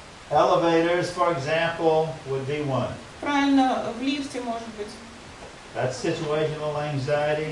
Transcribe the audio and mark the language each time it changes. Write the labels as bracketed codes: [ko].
[en] Elevators, for example, would be one. [ru] Правильно, в лифте может быть. [en] That's situational anxiety.